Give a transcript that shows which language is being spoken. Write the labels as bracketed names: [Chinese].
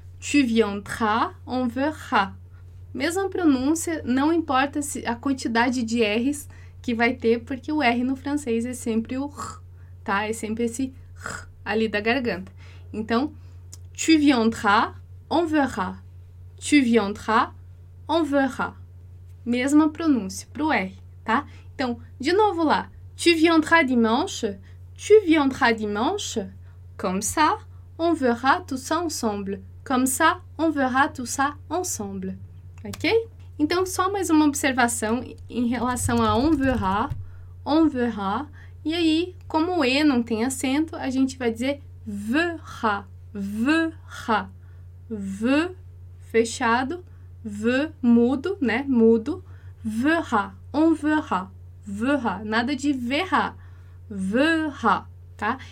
[French] Tu viendras, on verra. [Portuguese] Mesma pronúncia, não importa se a quantidade de R's que vai ter, porque o R no francês é sempre o R, tá? É sempre esse R ali da garganta. Então, [French] tu viendras, on verra. Tu viendras, on verra. [Portuguese] Mesma pronúncia para o R, tá? Então, de novo lá. [French] Tu viendras dimanche? Tu viendras dimanche? Comme ça, on verra tout ça ensemble. Comme ça, on verra tout ça ensemble. Ok? [Portuguese] Então, só mais uma observação em relação a [French] on verra, [Portuguese] e aí, como o E não tem acento, a gente vai dizer verra, verra, v fechado, v mudo, né, mudo, verra, on verra, verra, nada de verra, verra, tá?